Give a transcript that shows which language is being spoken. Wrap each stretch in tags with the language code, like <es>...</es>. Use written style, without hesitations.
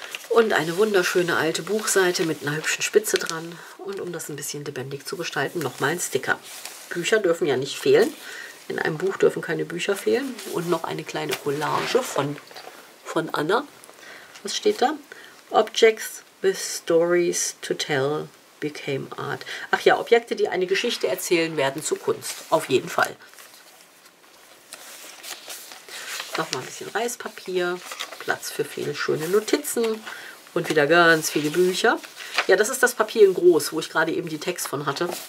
<de>Und eine wunderschöne alte Buchseite mit einer hübschen Spitze dran. Und um das ein bisschen lebendig zu gestalten, nochmal ein Sticker. Bücher dürfen ja nicht fehlen. In einem Buch dürfen keine Bücher fehlen. Und noch eine kleine Collage von von Anna. Was steht da?</de> <en>Objects with stories to tell became art.</en> <de>Ach ja, Objekte, die eine Geschichte erzählen, werden zu Kunst. Auf jeden Fall. Nochmal ein bisschen Reispapier. Platz für viele schöne Notizen. Und wieder ganz viele Bücher. Ja, das ist das Papier in groß, wo ich gerade eben die Text von hatte.</de>